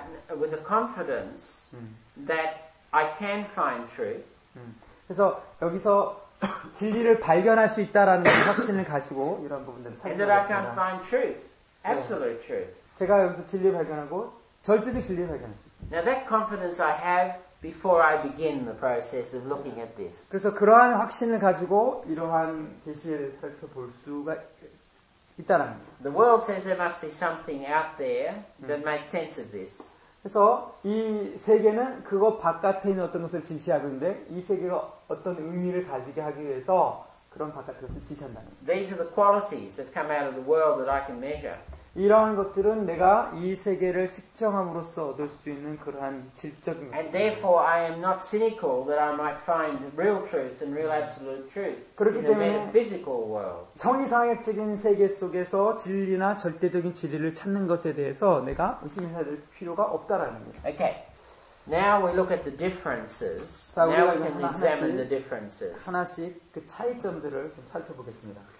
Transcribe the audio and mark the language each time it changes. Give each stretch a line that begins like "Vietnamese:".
English: With a confidence that I can find truth.
Korean: 그래서 여기서 진리를 발견할 수 있다라는 확신을 가지고 이런 부분들을 살펴보겠습니다.
English: And that I can find truth. Absolute truth.
Korean: 제가 여기서 진리를 발견하고 절대적 진리를 발견할 수 있습니다.
English: Now that confidence I have before I begin the process of looking at this.
Korean: 그래서 그러한 확신을 가지고 이러한 계시에 대해 살펴볼 수가 있다라는 거예요.
English: The world says there must be something out there that makes sense of this.
Korean: 그래서 이 세계는 그것 바깥에 있는 어떤 것을 지시하는데 이 세계가 어떤 의미를 가지게 하기 위해서 그런 바깥에 것을 지시한다는 거예요.
English: These are the qualities that come out of the world that I can measure.
Korean: 이러한 것들은 내가 이 세계를 측정함으로써 얻을 수 있는 그러한 질적인 것.
English: And therefore I am not cynical that I might find real truth and real absolute truth in the metaphysical world.
Korean: 성의상의적인 세계 속에서 진리나 절대적인 진리를 찾는 것에 대해서 내가 의심해야 될 필요가 없다라는 거예요.
English: Okay. Now we look at the differences.
Korean: 자,
English: now we can examine the differences.
Korean: 하나씩 그 차이점들을 좀 살펴보겠습니다.